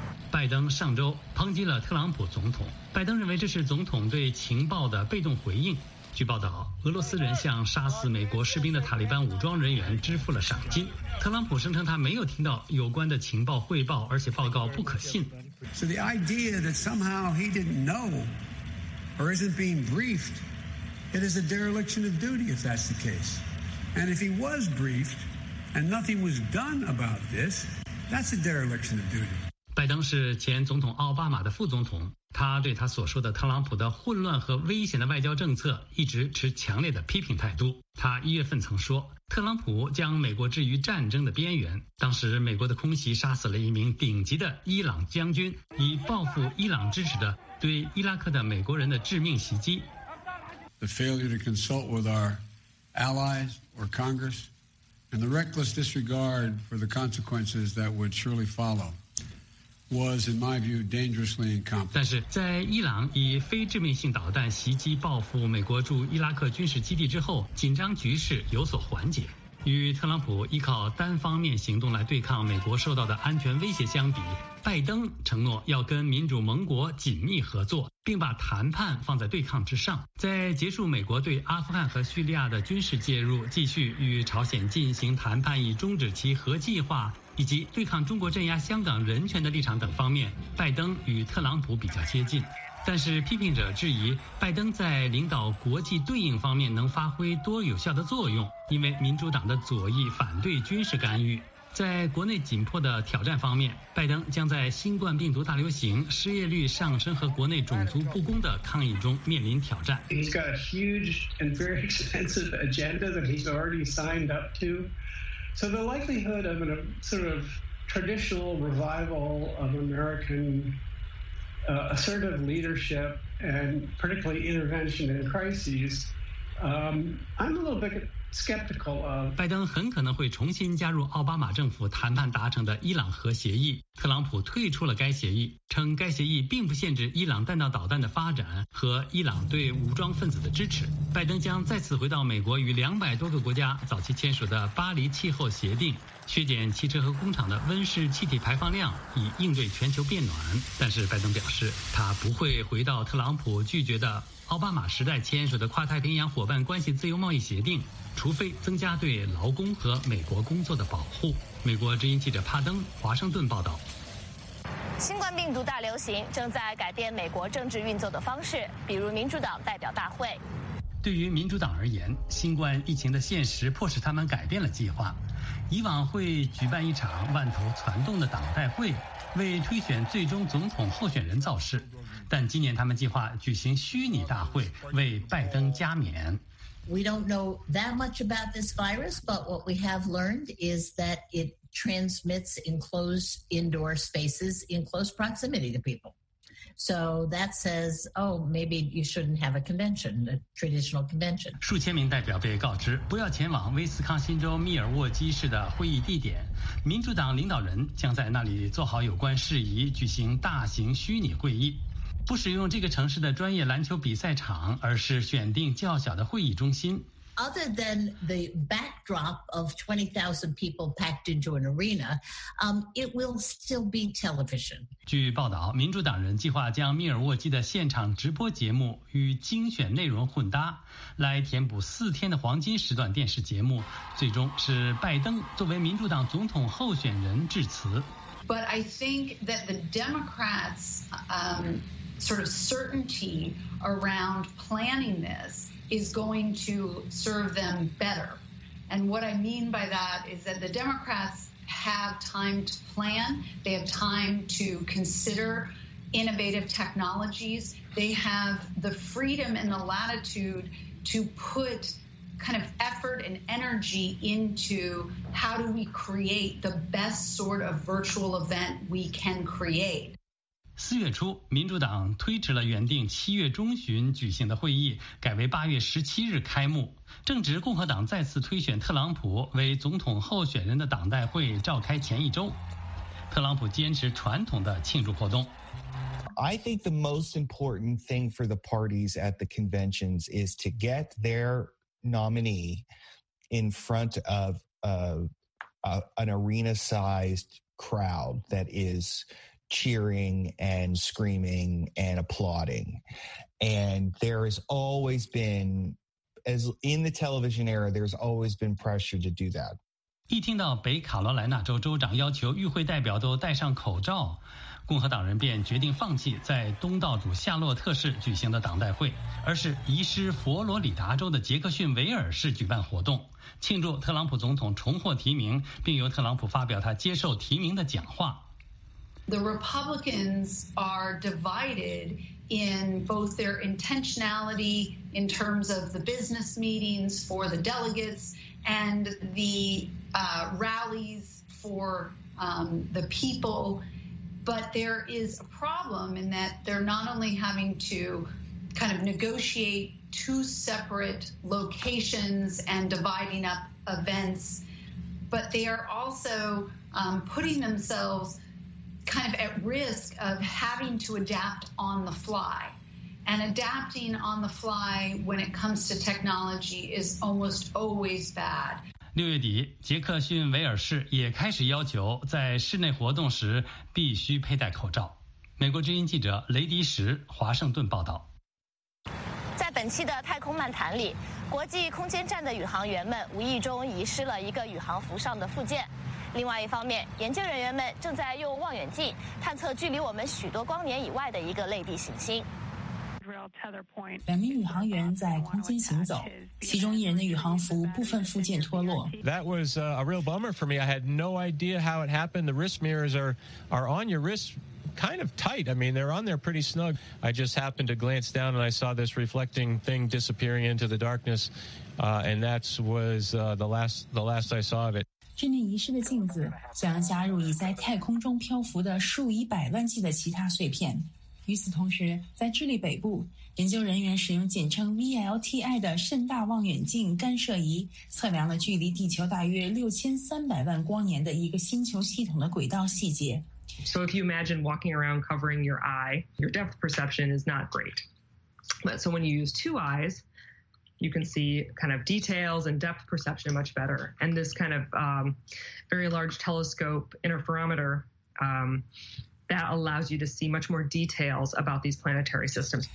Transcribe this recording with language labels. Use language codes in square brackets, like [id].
[zh] 拜登上周抨击了特朗普总统，拜登认为这是总统对情报的被动回应。据报道，俄罗斯人向杀死美国士兵的塔利班武装人员支付了赏金。特朗普声称他没有听到有关的情报汇报，而且报告不可信。 [en] So the idea that somehow he didn't know or isn't being briefed, it is a dereliction of duty if that's the case. And if he was briefed and nothing was done about this, that's a dereliction of duty. [zh] 拜登是前总统奥巴马的副总统，他对他所说的特朗普的混乱和危险的外交政策一直持强烈的批评态度。他一月份曾说，特朗普将美国置于战争的边缘，当时美国的空袭杀死了一名顶级的伊朗将军，以报复伊朗支持的对伊拉克的美国人的致命袭击。 [en] The failure to consult with our allies or Congress and the reckless disregard for the consequences that would surely followwas in my view dangerously incompetent. [zh] 但是在伊朗以非致命性导弹袭击报复美国驻伊拉克军事基地之后，紧张局势有所缓解。与特朗普依靠单方面行动来对抗美国受到的安全威胁相比，拜登承诺要跟民主盟国紧密合作，并把谈判放在对抗之上。在结束美国对阿富汗和叙利亚的军事介入，继续与朝鲜进行谈判以终止其核计划，以及对抗中国镇压香港人权的立场等方面，拜登与特朗普比较接近。但是批评者质疑拜登在领导国际对应方面能发挥多有效的作用，因为民主党的左翼反对军事干预。在国内紧迫的挑战方面，拜登将在新冠病毒大流行、失业率上升和国内种族不公的抗议中面临挑战。 [en] He's got a huge and very expensive agenda that he's already signed up to. So the likelihood of a sort of traditional revival of Americanassertive leadership and particularly intervention in crises, I'm a little bit skeptical of. [zh] 拜登很可能会重新加入奥巴马政府谈判达成的伊朗核协议。特朗普退出了该协议，称该协议并不限制伊朗弹道导弹的发展和伊朗对武装分子的支持。拜登将再次回到美国与200多个国家早期签署的巴黎气候协定，削减汽车和工厂的温室气体排放量，以应对全球变暖。但是拜登表示，他不会回到特朗普拒绝的奥巴马时代签署的跨太平洋伙伴关系自由贸易协定，除非增加对劳工和美国工作的保护。美国之音记者帕登华盛顿报道。新冠病毒大流行正在改变美国政治运作的方式，比如民主党代表大会。对于民主党而言，新冠疫情的现实迫使他们改变了计划。以往会举办一场万头攒动的党代会，为推选最终总统候选人造势，但今年他们计划举行虚拟大会，为拜登加冕。 [en] We don't know that much about this virus, but what we have learned is that it transmits in close indoor spaces in close proximity to people. So that says, oh, maybe you shouldn't have a convention, a traditional convention. [zh] 数千名代表被告知不要前往威斯康辛州密尔沃基市的会议地点，民主党领导人将在那里做好有关事宜，举行大型虚拟会议。不使用这个城市的专业篮球比赛场，而是选定较小的会议中心。 [en] other than the backdrop of 20,000 people packed into an arena, it will still be television. [zh] 据报道，民主党人计划将密尔沃基的现场直播节目与精选内容混搭，来填补四天的黄金时段电视节目，最终是拜登作为民主党总统候选人致辞。 [en] But I think that the Democrats, sort of certainty around planning this is going to serve them better. And what I mean by that is that the Democrats have time to plan. They have time to consider innovative technologies. They have the freedom and the latitude to put kind of effort and energy into how do we create the best sort of virtual event we can create. [zh] 四月初，民主党推迟了原定七月中旬举行的会议，改为八月十七日开幕。正值共和党再次推选特朗普为总统候选人的党代会召开前一周，特朗普坚持传统的庆祝活动。 [en] I think the most important thing for the parties at the conventions is to get their nominee in front of an arena-sized crowd that is. Cheering and screaming and applauding. And there has always been, as in the television era, there's always been pressure to do that. [zh] 一听到北卡罗来纳州州长要求与会代表都戴上口罩，共和党人便决定放弃在东道主夏洛特市举行的党代会，而是移师佛罗里达州的杰克逊维尔市举办活动，庆祝特朗普总统重获提名，并由特朗普发表他接受提名的讲话。 [en] The Republicans are divided in both their intentionality in terms of the business meetings for the delegates and the rallies for the people. But there is a problem in that they're not only having to kind of negotiate two separate locations and dividing up events, but they are also putting themselves... kind of at risk of having to adapt on the fly. And adapting on the fly when it comes to technology is almost always bad. [zh] 六月底，杰克逊维尔市也开始要求在室内活动时必须佩戴口罩。美国之音记者雷迪什华盛顿报道。在本期的太空漫谈里，国际空间站的宇航员们无意中遗失了一个宇航服上的附件。另外一方面，研究人员们正在用望远镜探测距离我们许多光年以外的一个类地行星。两名宇航员在空间行走，其中一人的宇航服部分附件脱落。 [en] That was a real bummer for me. I had no idea how it happened. The wrist mirrors are on your wrist. Kind of tight. I mean, they're on there pretty snug. I just happened to glance down and I saw this reflecting thing disappearing into the darkness, and that was the last I saw of it. [zh] 这面遗失的镜子将加入已在太空中漂浮的数以百万计的其他碎片。与此同时，在智利北部，研究人员使用简称 VLTI 的甚大望远镜干涉仪测量了距离地球大约6300万光年的一个星球系统的轨道细节。 [en] So if you imagine walking around covering your eye, your depth perception is not great. But so when you use two eyes, you can see kind of details and depth perception much better. And this kind of very large telescope interferometer, that allows you to see much more details about these planetary systems.